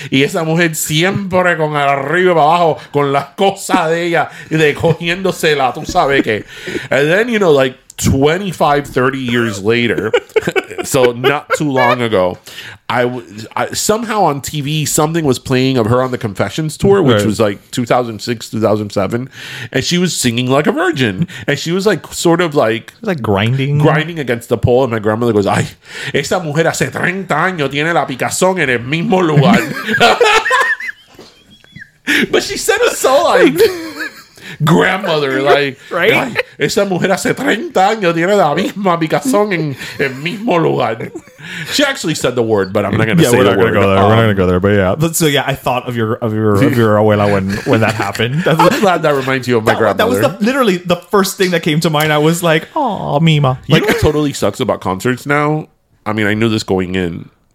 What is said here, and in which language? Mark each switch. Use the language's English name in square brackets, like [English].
[Spanish] Y esa mujer siempre con arriba y abajo, con las cosas de ella, de cogiéndosela, tú sabes qué. [English] And then, 25, 30 years later, so not too long ago, somehow on TV, something was playing of her on the Confessions tour, which was like 2006, 2007, and she was singing Like a Virgin, and she was like sort of like... It was like grinding against the pole, and my grandmother goes, [Spanish] ay, esa mujer hace 30 años tiene la picazón en el mismo lugar. [English] But she said it so like... grandmother, like, right? [Spanish] Esa mujer hace 30 años tiene la misma picazón en el mismo lugar. [English] She actually said the word, but I'm not going to say the word. We're not going to go there, but yeah. But so yeah, I thought of your abuela when that happened. I'm glad that reminds you of my grandmother. That was literally the first thing that came to mind. I was like, oh, Mima. You know what totally sucks about concerts now? I mean, I knew this going in.